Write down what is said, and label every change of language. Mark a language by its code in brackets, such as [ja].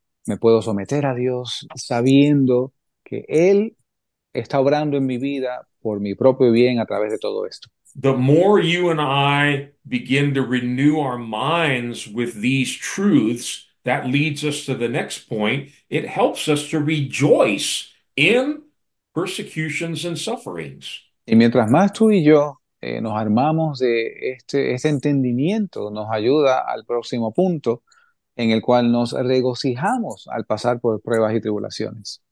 [es] me puedo someter a Dios sabiendo que Él está obrando en mi vida por mi propio bien a través de todo esto. [en] The more you and I begin to renew our minds with these truths, that leads us to the next point. It helps us to rejoice in persecutions and sufferings. [es] Y mientras más tú y yo nos armamos de este entendimiento, nos ayuda al próximo punto en el cual nos regocijamos al pasar por pruebas y tribulaciones.